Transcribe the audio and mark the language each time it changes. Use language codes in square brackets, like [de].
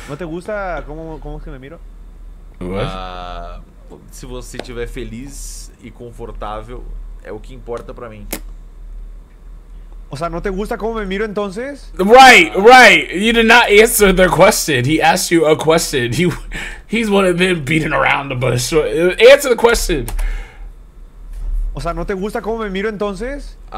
[es] ¿No te gusta cómo es que me miro? [en] What? [es] Si [pt] você estiver feliz [es] y [pt] confortável, [es] es lo que importa para mí. O sea, ¿no te gusta cómo me miro entonces? [en] Right. You did not answer their question. He asked you a question. He's one of them beating around the bush. Answer the question. [es] O sea, ¿no te gusta cómo me miro entonces?